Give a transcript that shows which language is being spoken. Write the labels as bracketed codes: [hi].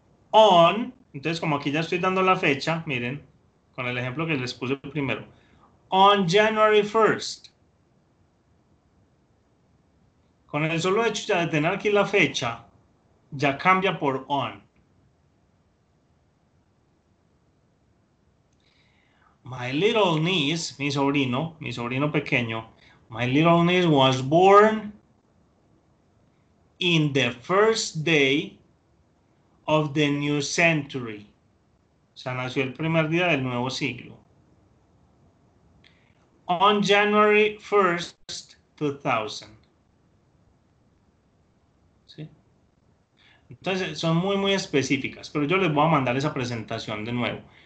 [es] On, entonces como aquí ya estoy dando la fecha, miren, con el ejemplo que les puse primero. [en] On January 1st. [es] Con el solo hecho de tener aquí la fecha, ya cambia por on. [en] My little niece, [es] mi sobrino pequeño, [en] my little niece was born in the first day of the new century. [es] O sea, nació el primer día del nuevo siglo. [en] On January 1st, 2000. [es] Entonces, son muy, muy específicas, pero yo les voy a mandar esa presentación de nuevo.